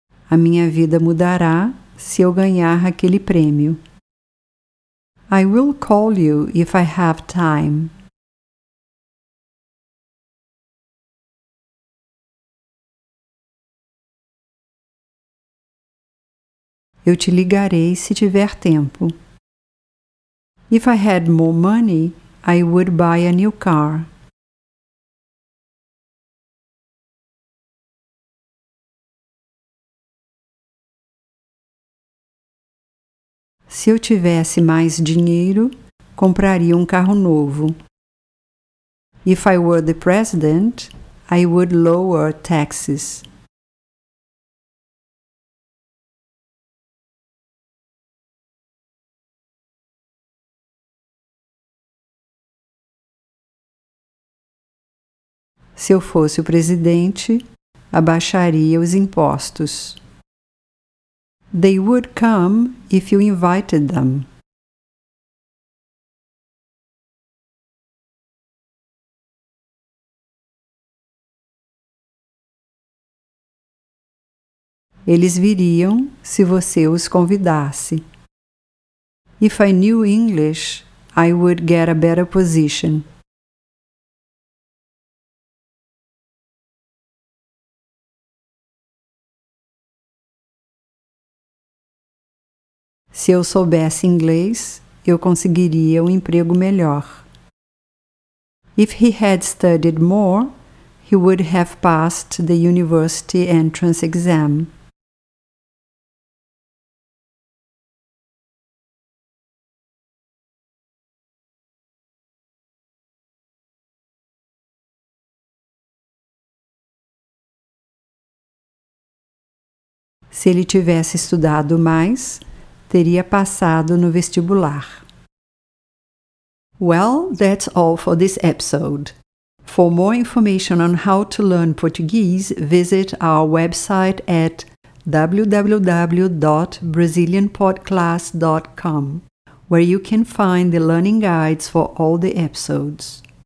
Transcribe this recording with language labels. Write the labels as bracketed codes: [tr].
[pt] A minha vida mudará se eu ganhar aquele prêmio. [en] I will call you if I have time. [pt] Eu te ligarei se tiver tempo. [en] If I had more money, I would buy a new car. [pt] Se eu tivesse mais dinheiro, compraria um carro novo. [en] If I were the president, I would lower taxes. [pt] Se eu fosse o presidente, abaixaria os impostos. [en] They would come if you invited them. [pt] Eles viriam se você os convidasse. [en] If I knew English, I would get a better position. [pt] Se eu soubesse inglês, eu conseguiria um emprego melhor. [en] If he had studied more, he would have passed the university entrance exam. [pt] Se ele tivesse estudado mais, teria passado no vestibular. [en] Well, that's all for this episode. For more information on how to learn Portuguese, visit our website at www.brazilianpodclass.com, where you can find the learning guides for all the episodes.